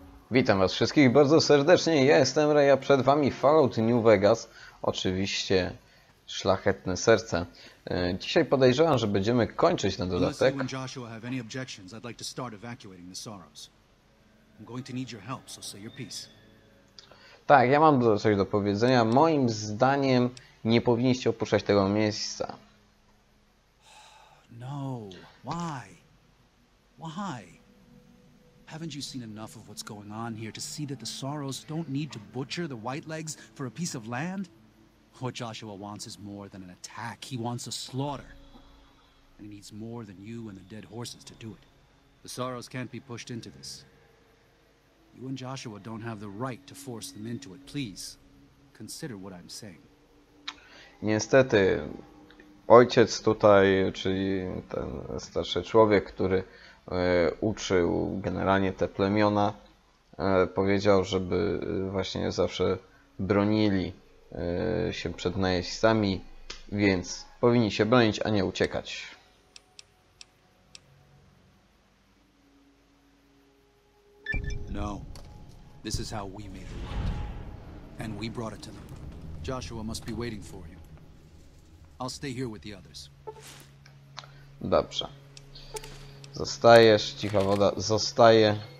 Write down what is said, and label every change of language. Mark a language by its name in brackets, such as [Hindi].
[Polish] Witam was wszystkich bardzo serdecznie. Ja jestem Ray, a przed wami Fallout New Vegas. Oczywiście Szlachetne Serce. Dzisiaj podejrzewam, że będziemy kończyć ten dodatek. [English] Unless you and Joshua have any objections, I'd like to start evacuating the Sorrows. I'm going to need your help, so say your piece. [Polish] Tak, ja mam coś do powiedzenia. Moim zdaniem nie powinniście opuszczać tego miejsca. [English] No, why? Why? Haven't you seen enough of what's going on here to see that the Sorrows don't need to butcher the Whitelegs for a piece of land? What Joshua wants is more than an attack. He wants a slaughter. And he needs more than you and the dead horses to do it. The Sorrows can't be pushed into this. You and Joshua don't have the right to force them into it. Please, consider what I'm saying. [Polish] Niestety, ojciec tutaj, czyli ten starszy człowiek, który uczył generalnie te plemiona, powiedział, żeby właśnie zawsze bronili się przed najeźdźcami, więc powinni się bronić, a nie uciekać. [English] No. This is how we made the world. And we brought it to them. Joshua must be waiting for you. I'll stay here with the others. [Polish] Dobrze. Zostajesz, cicha woda, zostaje.